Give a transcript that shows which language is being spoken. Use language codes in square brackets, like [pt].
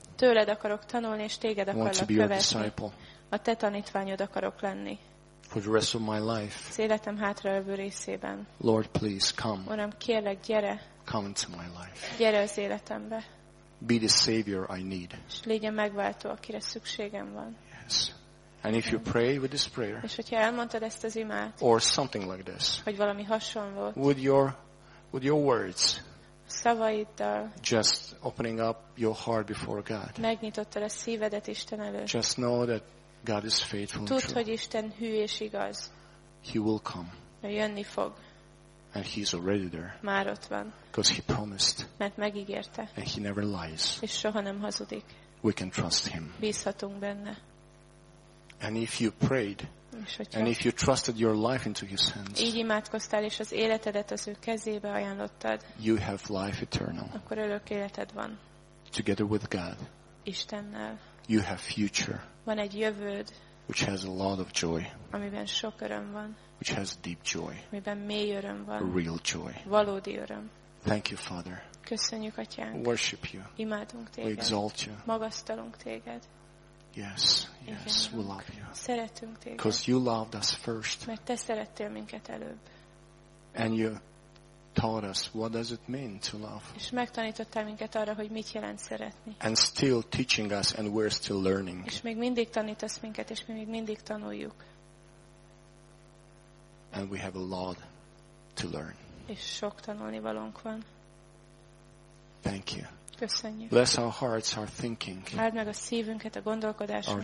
[hu] Tőled akarok tanulni és téged akarok követni. [en] I want to be your disciple. [hu] A te tanítványod akarok lenni. [en] For the rest of my life. [hu] Az életem hátralévő részében. [en] Lord, please come. [hu] Uram, kérlek, gyere. [en] Come into my life. [hu] Gyere az életembe. [en] Be the savior I need. [hu] És légy a megváltó, akire szükségem van. [en] Yes. And if you pray with this prayer, [hu] és hogyha elmondtad ezt az imát, [en] or something like this, [hu] vagy valami hasonló, [en] with your words, [hu] szavaiddal, [en] just opening up your heart before God, [hu] megnyitottad a szívedet Isten előtt, [en] just know that God is faithful. [hu] Tudd, hogy Isten hű és igaz. [en] He will come. [hu] Ő jönni fog. [en] And he's already there. [hu] Már ott van. [en] Because he promised. [hu] Mert megígérte. [en] And he never lies. [hu] És soha nem hazudik. [en] We can trust him. [hu] Bízhatunk benne. [en] And if you prayed, and if you trusted your life into his hands, [hu] így imádkoztál és az életedet az ő kezébe ajánlottad, [en] you have life eternal. [hu] Akkor örök életed van. [en] Together with God. [hu] Istennel. [en] You have future. [hu] Van egy jövőd. [en] Which has a lot of joy. [hu] Amiben sok öröm van. [en] Which has deep joy. [hu] Amiben mély öröm van. [en] Real joy. [hu] Valódi öröm. [en] Thank you, Father. [hu] Köszönjük, Atyánk. [en] Worship you. [hu] Imádunk téged. [en] We exalt you. [hu] Magasztalunk téged. [en] Yes, yes, we love you. [hu] Szeretünk téged. [en] Because you loved us first. [hu] Mert te szerettél minket előbb. [en] And you taught us what does it mean to love. [hu] És megtanítottál minket arra, hogy mit jelent szeretni. [en] And still teaching us, and we're still learning. [hu] És még mindig tanítasz minket, és mi még mindig tanuljuk. [en] And we have a lot to learn. [hu] És sok tanulnivalónk van. [en] Thank you. [hu] Köszönjük. [en] Bless our hearts, our thinking. [hu] Áld meg a szívünket, a gondolkodásunkat.